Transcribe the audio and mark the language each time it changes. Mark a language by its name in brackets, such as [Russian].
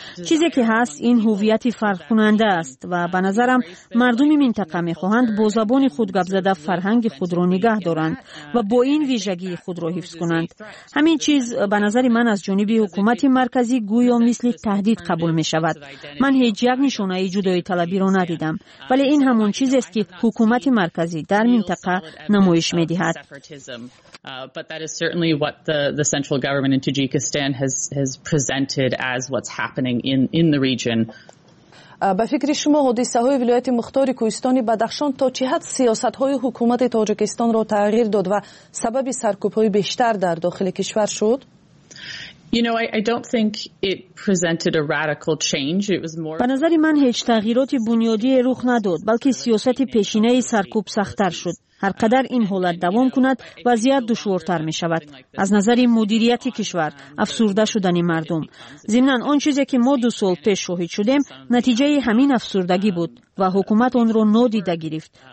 [Persian] چیزی که هست این هویت فرق کننده است و به نظرم مردم منطقه میخواهند با زبان خود گپ زده فرهنگ خود را نگه دارند و با این ویژگی خود را حفظ کنند. همین چیز به نظر من از جانب حکومت مرکزی گویا مثل تهدید قبول می شود. من هیچ یک نشانه جدای طلبی را ندیدم. ولی این همون چیز است که حکومت مرکزی در منطقه نمایش می دهد. [English] But that is certainly what the central government in Tajikistan has presented as what's happening in the region. [Persian] به فکر شما حادثه های ولایت مختار کوهستان بدخشان تا چه حد سیاست های حکومت تاجیکستان را تغییر داد و سبب سرکوب های بیشتر در داخل کشور شد؟ [English] I don't think it presented a radical change. It was more [Persian] به نظر من هیچ تغییرات بنیادی رخ نداد، بلکه سیاست پیشینه سرکوب سخت‌تر شد. هر قدر این حالت دوام کند وضعیت دشوارتر می شود. از نظر مدیریت کشور، افسرده شدن مردم. ضمناً آن چیزی که ما دو سال پیش شاهد شدیم نتیجه همین افسردگی بود و حکومت آن را نادیده گرفت.